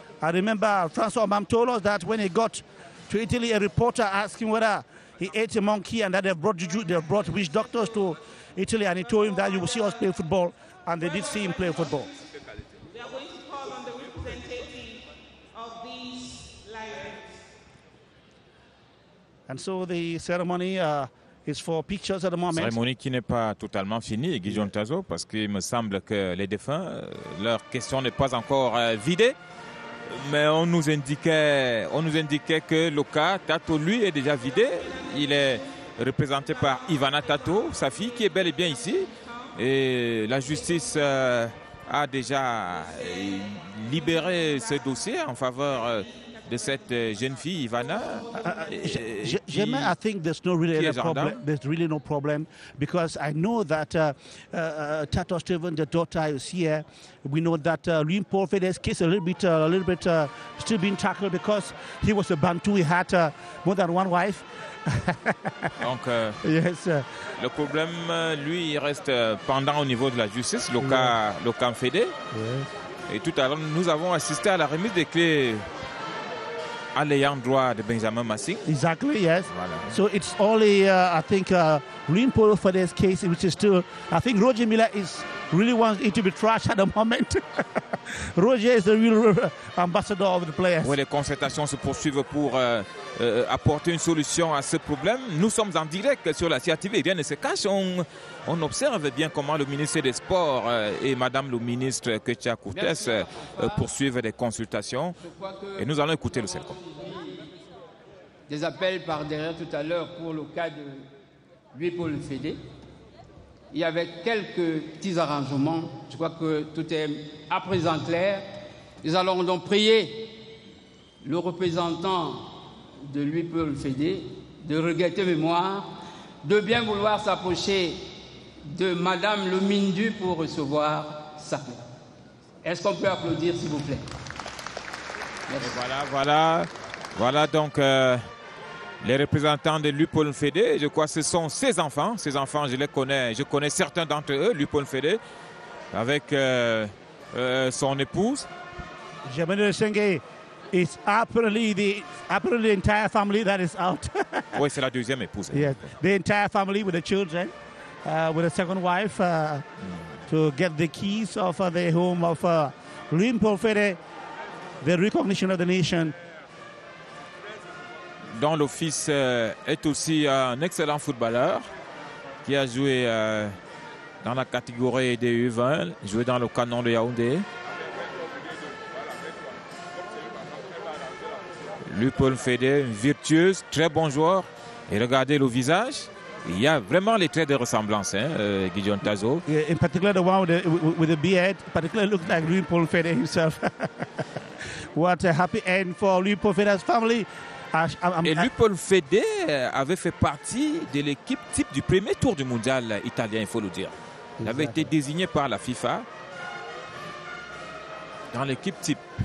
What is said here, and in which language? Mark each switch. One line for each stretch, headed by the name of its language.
English: I remember Francois Mbam told us that when he got to Italy, a reporter asked him whether he ate a monkey and that they brought witch doctors to Italy, and he told him that you will see us play football, and they did see him play football. We are going to call on the representative of these Lions. And so the ceremony is for pictures at the moment.
French: Cérémonie qui n'est pas totalement finie, Guillaume Tazo, parce qu'il me semble que les défunts, leur question n'est pas encore vidée. Mais on nous indiquait que Loka Tato, lui, est déjà vidé. Il est représenté par Ivana Tato, sa fille, qui est bel et bien ici. Et la justice a déjà libéré ce dossier en faveur de cette jeune fille Ivana.
English: Jamais, I think there's no really a problem. There's really no problem because I know that Tato Steven, the daughter, is here. We know that Louis Paul Fede's case a little bit still being tackled because he was a Bantu. He had more than one wife.
French: Donc, le problème, lui, il reste pendant au niveau de la justice, le cas Fede.
English: Yes.
French: Et tout à l'heure, nous avons assisté à la remise des clés à l'ayant droit de Benjamin Massing.
English: Exactly, yes.
French: Voilà.
English: So it's only, I think, Louis Paul Fede's case, which is still, I think Roger Miller is really wants it to be trashed at the moment. Roger is the real ambassador of the players.
French: Oui, les concertations se poursuivent pour apporter une solution à ce problème. Nous sommes en direct sur la CRTV. Rien ne se cache. On observe bien comment le ministère des Sports et Madame le ministre Kétia Courtès poursuivent des consultations. Et nous allons écouter le CELCOM. Des appels par derrière tout à l'heure pour le cas de Louis Paul Fede. Il y avait quelques petits arrangements. Je crois que tout est à présent clair. Nous allons donc prier le représentant de Louis Paul Fede de regretter mémoire, de bien vouloir s'approcher de Madame Lomindu pour recevoir sa plainte. Est-ce qu'on peut applaudir, s'il vous plaît? Merci. Voilà, voilà. Voilà donc les représentants de Louis Paul Fede. Je crois que ce sont ses enfants. Ses enfants, je les connais. Je connais certains d'entre eux, Louis Paul Fede, avec son épouse. Jamel Senge.
English: It's apparently the entire family that is out.
French: Oui, c'est la deuxième épouse.
English: Yes, the entire family with the children, with the second wife, to get the keys of the home of Louis Paul Fede, the recognition of the nation.
French: Dont le fils est aussi un excellent footballeur qui a joué dans la catégorie des U20, joué dans le canon de Yaoundé. Louis Paul Fede, virtueuse, très bon joueur. Et regardez le visage, il y a vraiment les traits de ressemblance, hein, Guillaume Tazo.
English: In particular, the one with the beard, particularly looks like Louis Paul Fede himself. What a happy end for Louis Paul Fede's family.
French: Et Louis Paul Fede avait fait partie de l'équipe type du premier tour du mondial italien, il faut le dire. Il avait été désigné par la FIFA dans l'équipe type.